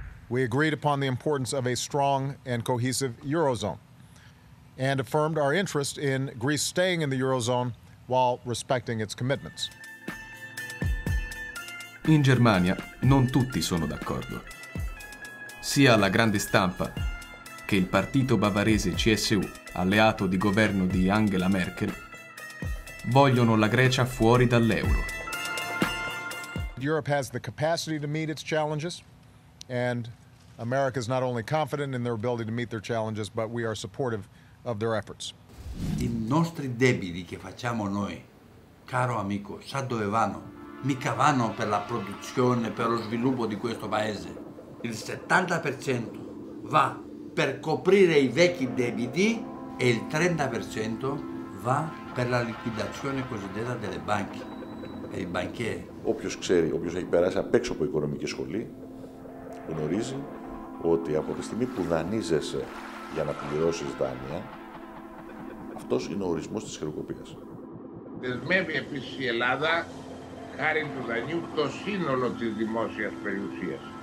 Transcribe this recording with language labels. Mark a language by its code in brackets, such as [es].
[en] We agreed upon the importance of a strong and cohesive Eurozone and affirmed our interest in Greece staying in the Eurozone while respecting its commitments. [it] In Germania non tutti sono d'accordo. Sia la grande stampa che il partito bavarese CSU, alleato di governo di Angela Merkel, vogliono la Grecia fuori dall'euro. [en] Europe has the capacity to meet its challenges, and America is not only confident in their ability to meet their challenges, but we are supportive of their efforts. [it] I nostri debiti che facciamo noi, caro amico, sa dove vanno? Mica vanno per la produzione, per lo sviluppo di questo paese. Il 70% va per coprire i vecchi debiti e il 30% va per la liquidazione cosiddetta delle banche. [el] Όποιος ξέρει, όποιος έχει περάσει απ' έξω από οικονομική σχολή, γνωρίζει ότι από τη στιγμή που δανείζεσαι για να πληρώσεις δάνεια, αυτός είναι ο ορισμός της χρεοκοπίας. Δεσμεύει επίσης η Ελλάδα, χάρη του δανείου, το σύνολο της δημόσιας περιουσίας.